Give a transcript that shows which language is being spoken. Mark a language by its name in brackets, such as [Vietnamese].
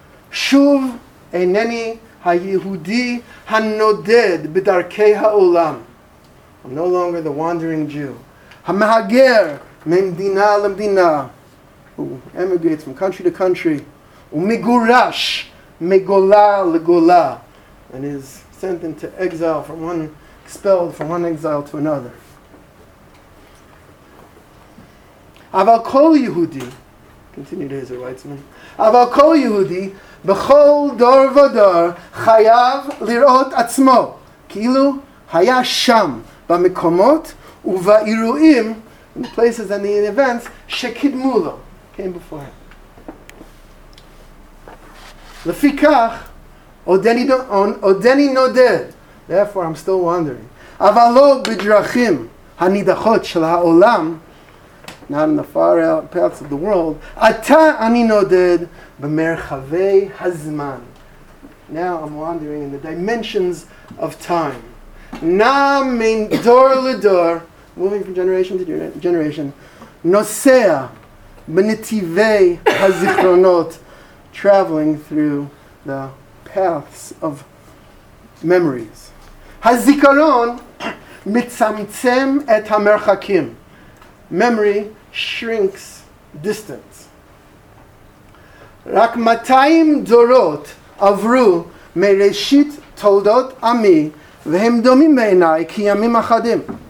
[Hebrew] שוב אינני היהודי הנודד בדרכי העולם. [English] I'm no longer the wandering Jew. [Hebrew] המהגר ממדינה למדינה, [English] who emigrates from country to country, [Hebrew] ומגורש מגולה לגולה, [English] and is sent into exile from one, expelled from one exile to another. [Hebrew] אבל כל יהודי, [English] continued Ezra Weitzman, [Hebrew] אבל כל יהודי, בכל דור ודור, חייב לראות עצמו, כאילו היה שם, במקומות ובאירועים, [English] in the places and the events, [Hebrew] שקדמו לו, [English] came before him. [Hebrew] לפיכך, עודני נודד, [English] therefore I'm still wandering, [Hebrew] אבל לא בדרכים הנידחות של העולם, [English] not in the far paths of the world, [Hebrew] עתה אני נודד במרחבי הזמן. [English] Now I'm wandering in the dimensions of time. [Hebrew] נא מן דור לדור, [English] moving from generation to generation, [Hebrew] נוסע בנתיבי הזיכרונות, [English] traveling through the paths of memories. [Hebrew] הזיכרון מצמצם את המרחקים. [English] Memory shrinks distance. [Hebrew] רק 200 דורות עברו מראשית תולדות עמי, והם דומים בעיניי כימים אחדים.